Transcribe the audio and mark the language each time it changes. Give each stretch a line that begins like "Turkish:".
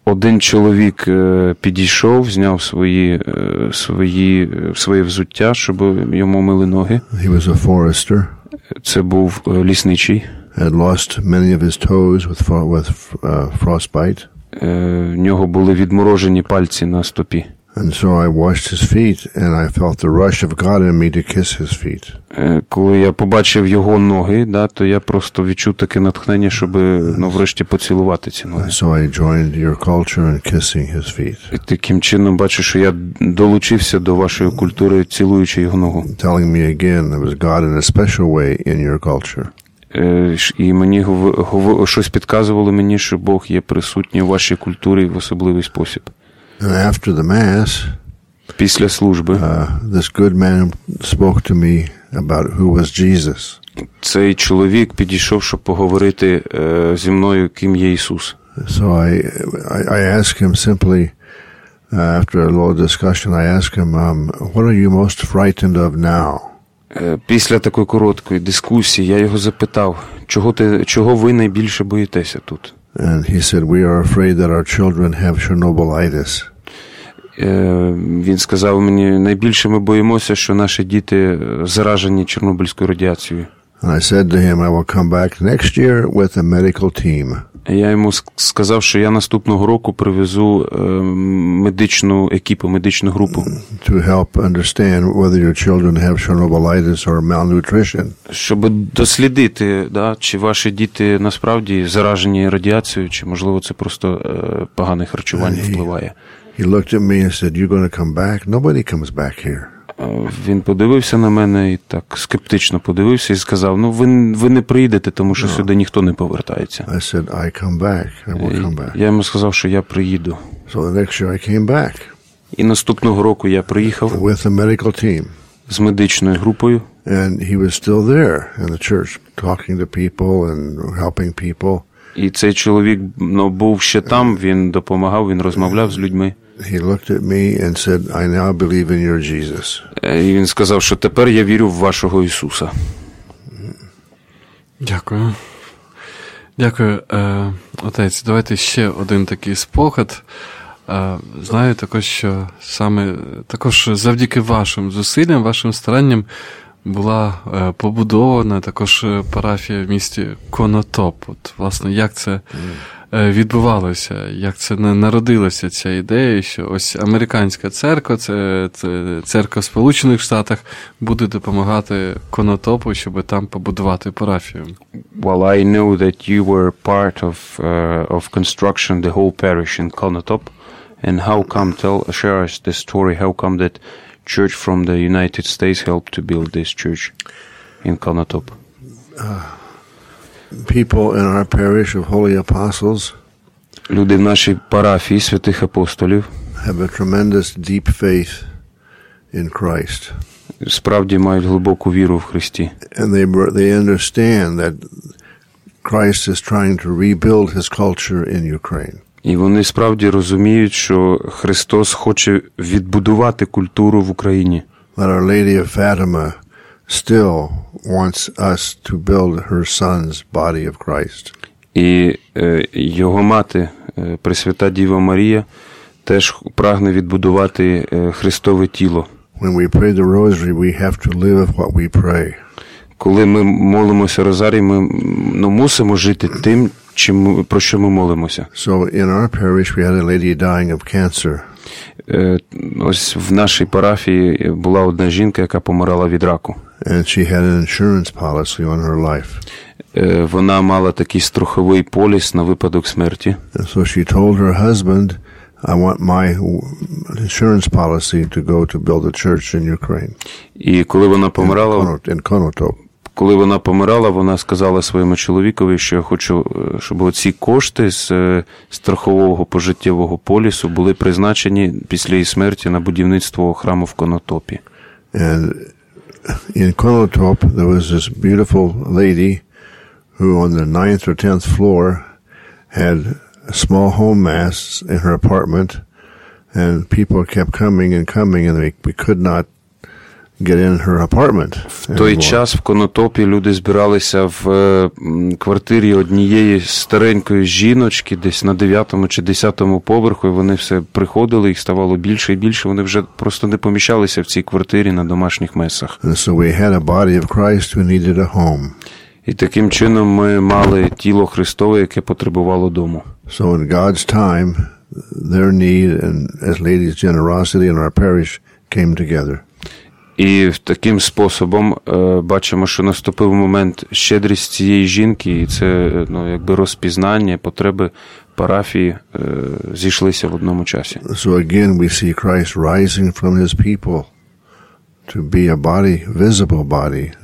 Ukrainian: Один чоловік підійшов, зняв своє взуття, щоб йому мили ноги.
English: He was a forester.
Ukrainian: Це був лісничий.
English: Had lost many of his toes with frostbite.
Ukrainian: В нього були відморожені пальці на стопі.
English: And so I washed his feet and I felt the rush of God in me to kiss his feet.
Ukrainian: Коли я побачив його ноги, да, то я просто відчув таке натхнення, щоб, ну, врешті поцілувати ці ноги.
English: So I joined your culture in kissing his feet.
Ukrainian: І таким чином бачу, що я долучився до вашої культури, цілуючи його ногу.
English: Telling me again there was God in a special way in your culture.
Ukrainian: І мені щось підказувало мені, що Бог є присутній у вашій культурі в особливий спосіб.
English: And after the mass,
Ukrainian: після служби,
English: this good man spoke to me about who was Jesus.
Ukrainian: Цей чоловік підійшов, щоб поговорити зі мною, ким є Ісус.
English: So I asked him simply, after a little discussion, I asked him, what are you most frightened of now?
Ukrainian: Після такої короткої дискусії я його запитав, чого ви найбільше боїтеся тут?
English: And he said, we are afraid that our children have Chernobylitis.
Ukrainian: Він сказав мені, найбільше ми боїмося, що наші діти заражені Чорнобильською радіацією.
English: And I said to him, I will come back next year with a medical team.
Ukrainian: Я йому сказав, що я наступного року привезу медичну екіпу, медичну групу.
English: To help understand whether your children have Chernobylitis or malnutrition.
Ukrainian: Щоб дослідити, да, чи ваші діти насправді заражені радіацією, чи, можливо, це просто погане харчування впливає.
English: He looked at me and said, "You're going to come back? Nobody comes back here."
Ukrainian: Він подивився на мене і так скептично подивився і сказав, "Ну, ви не приїдете, тому що сюди ніхто не повертається."
English: I said, "I come back. I will come back."
Ukrainian: Я йому сказав, що я приїду.
English: So the next year I came back.
Ukrainian: І наступного року я приїхав.
English: With a medical team.
Ukrainian: З медичною групою.
English: And he was still there in the church, talking to people and helping people.
Ukrainian: І цей чоловік, ну, був ще там, він допомагав, він розмовляв з людьми.
English: He looked at me and said, "I now believe in your Jesus."
Ukrainian: І він сказав, що тепер я вірю в вашого Ісуса. Дякую. Дякую. Отець, давайте ще один такий спогад. Знаю також, що саме також завдяки вашим зусиллям, вашим старанням була побудована також парафія в місті Конотоп. От, власне, як це відбувалося, як це народилася ця ідея, що ось американська церква, це церква в Сполучених Штатах, буде допомагати Конотопу, щоб там побудувати парафію.
English: Well, I know that you were part of construction the whole parish in Konotop. And how come, tell, share us the story, how come that church from the United States helped to build this church in Konotop? People in our parish of Holy Apostles,
Ukrainian: люди в нашій парафії святих апостолів,
English: have a tremendous deep faith in Christ.
Ukrainian: Справді мають глибоку віру в Христі.
English: And they understand that Christ is trying to rebuild his culture in Ukraine.
Ukrainian: І вони справді розуміють, що Христос хоче відбудувати культуру в Україні.
English: That Our Lady of Fatima still wants us to build her son's body of Christ.
Ukrainian: І його мати, Пресвята Діва Марія, теж прагне відбудувати Христове тіло.
English: When we pray the rosary, we have to live what we pray.
Ukrainian: Коли ми молимося розарій, ми, ну, мусимо жити тим, чим, про що ми молимося.
English: So in our parish we had a lady dying of cancer.
Ukrainian: Ось в нашій парафії була одна жінка, яка помирала від раку.
English: And she had an insurance policy on her life.
Ukrainian: Вона мала такий страховий поліс на випадок смерті.
English: And so she told her husband, "I want my insurance policy to go to build a church in Ukraine."
Ukrainian: І коли вона помирала,
English: in Konotop.
Ukrainian: Коли вона помирала, вона сказала своєму чоловікові, що я хочу, щоб оці кошти з страхового пожиттєвого полісу були призначені після її смерті на будівництво храму в Конотопі.
English: And in Konotop there was this beautiful lady who on the 9th or 10th floor had a small home mass in her apartment, and people kept coming, and we could not get in her apartment.
Ukrainian: В той час в Конотопі люди збиралися в квартирі однієї старенької жіночки, десь на 9-му чи 10-му поверху, і вони все приходили, їх ставало більше і більше, вони вже просто не поміщалися в цій квартирі на домашніх месах.
English: And so we had a body of Christ who needed a home.
Ukrainian: І таким чином ми мали тіло Христове, яке потребувало дому.
English: So in God's time, their need and as lady's generosity in our parish came together.
Ukrainian: І таким способом бачимо, що наступив момент щедрість цієї жінки, і це, ну, якби розпізнання, потреби парафії зійшлися в одному часі.
English: So again we see Christ rising from his people to be a body, visible body.